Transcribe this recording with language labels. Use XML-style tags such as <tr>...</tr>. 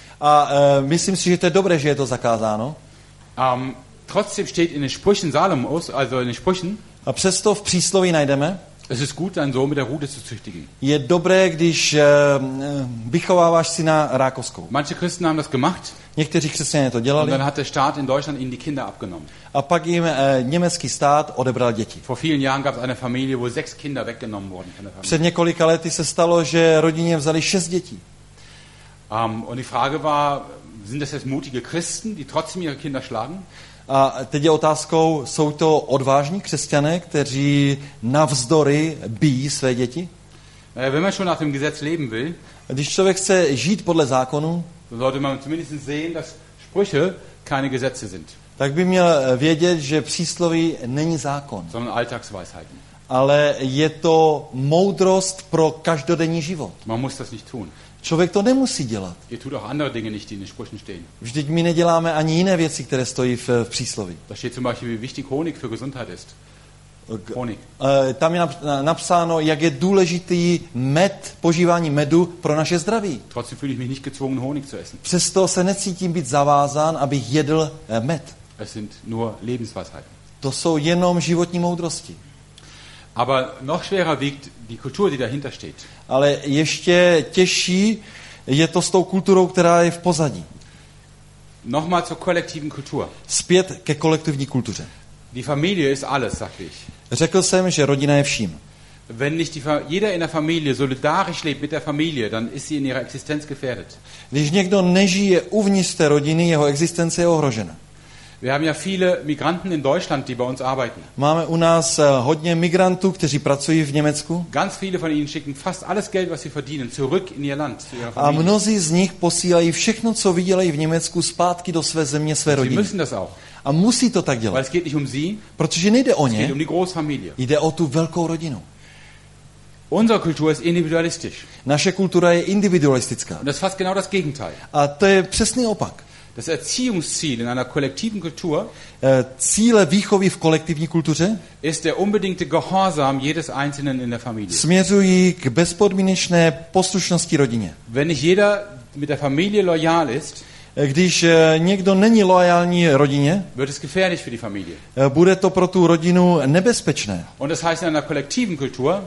<cs>A myslím si, že to je dobré, že je to zakázáno.</cs> <de>Trotzdem steht in den Sprüchen Salomos, also in den Sprüchen.</de> <cs>A přesto v přísloví najdeme.</cs> <de>Es ist gut, einen Sohn mit der Rute zu züchtigen.</de> <cs>Je dobré, když vychováváš syna rákoskou.</cs> <de>Manche Christen haben das gemacht.</de> <cs>Někteří křesťané to dělali.</cs> <de>Und dann hat der Staat in Deutschland ihnen die Kinder abgenommen.</de> <cs>A pak jim německý stát odebral děti.</cs> <de>Vor vielen Jahren gab es eine Familie, wo 6 Kinder weggenommen wurden.</de> <cs>Před několika lety se stalo, že rodině vzali 6 dětí.</cs> <de>Und die Frage war, sind das jetzt mutige Christen, die trotzdem ihre Kinder schlagen?</de> <cs>A teď je otázkou, jsou to odvážní křesťané, kteří navzdory bijí své děti?</cs> <de>Wenn man schon nach dem Gesetz leben will,</de> <cs>když člověk chce žít podle zákonu,</cs> <de>sollte man zumindest sehen, dass Sprüche keine Gesetze sind.</de> <cs>Tak by měl vědět, že přísloví není zákon,</cs> <de>sondern Alltagsweisheiten.</de> <cs>Ale je to moudrost pro každodenní život.</cs> <de>Man muss das nicht tun.</de> <cs>Člověk to nemusí dělat.</cs> <de>Ihr tut auch andere Dinge nicht, die in den Sprüchen stehen.</de> <cs>Vždyť my neděláme ani jiné věci, které stojí v přísloví.</cs> <de>Da steht zum Beispiel, wie wichtig Honig für Gesundheit ist. Honig.</de> <cs>Tam je napsáno, jak je důležitý med, požívání medu pro naše zdraví.</cs> <de>Trotzdem fühle ich mich nicht gezwungen, Honig zu essen.</de> <cs>Přesto se necítím být zavázán, abych jedl med.</cs> <de>Es sind nur Lebensweisheiten.</de> <cs>To jsou jenom životní moudrosti.</cs> <de>Aber noch schwerer wiegt die Kultur, die dahinter steht.</de> <cs>Ale ještě těžší je to s tou kulturou, která je v pozadí.</cs> <de>Nochmal zur kollektiven Kultur.</de> <cs>Zpět ke kolektivní kultuře.</cs> <de>Die Familie ist alles, sag ich.</de> <cs>Řekl jsem, že rodina je vším.</cs> <de>Wenn nicht jeder in der Familie solidarisch lebt mit der Familie, dann ist sie in ihrer Existenz gefährdet.</de> <cs>Když někdo nežije uvnitř té rodiny, jeho existence je ohrožena.</cs> <de>Wir haben ja viele Migranten in Deutschland, die bei uns arbeiten.</de> <cs>Máme u nás hodně migrantů, kteří pracují v Německu.</cs> <de>Ganz viele von ihnen schicken fast alles Geld, was sie verdienen, zurück in ihr Land, zu ihrer Familie.</de> <cs>A mnozí z nich posílají všechno, co vydělají v Německu, zpátky do své země, své rodiny.</cs> <de>Sie müssen das auch.</de> <cs>A musí to tak dělat.</cs> <de>Weil es geht nicht um sie,</de> <cs>protože nejde o ně.</cs> <de>Es geht um die Großfamilie.</de> <cs>Jde o tu velkou rodinu.</cs> <de>Unsere Kultur ist individualistisch.</de> <cs>Naše kultura je individualistická.</cs> <de>Und das ist fast genau das Gegenteil.</de> <cs>A to je přesný opak.</cs> <de>Das Erziehungsziel in einer kollektiven Kultur,</de> <cs>cíle výchovy v kolektivní kultuře,</cs> <de>ist der unbedingte Gehorsam jedes einzelnen in der Familie.</de> <cs>Směřují k bezpodmínečné poslušnosti rodině.</cs> <de>Wenn nicht jeder mit der Familie loyal ist,</de> <cs>když někdo není loajální rodině,</cs> <de>wird es gefährlich für die Familie.</de> <cs>Bude to pro tu rodinu nebezpečné.</cs> <de>Und das heißt in einer kollektiven Kultur,</de>